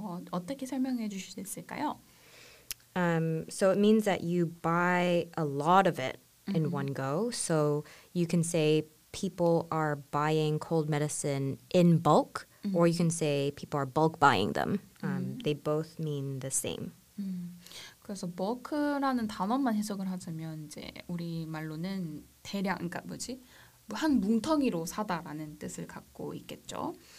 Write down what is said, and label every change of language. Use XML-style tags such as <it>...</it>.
<ko>어떻게 설명해 주실 수 있을까요?</ko> <en>So it means that you buy a lot of it in one go. So you can say people are buying cold medicine in bulk, or you can say people are bulk buying them. They both mean the same.</en> <ko>그래서 bulk라는 단어만 해석을 하자면 이제 우리 말로는 대량, 그러니까 뭐지? 한 뭉텅이로 사다라는 뜻을 갖고 있겠죠.</ko>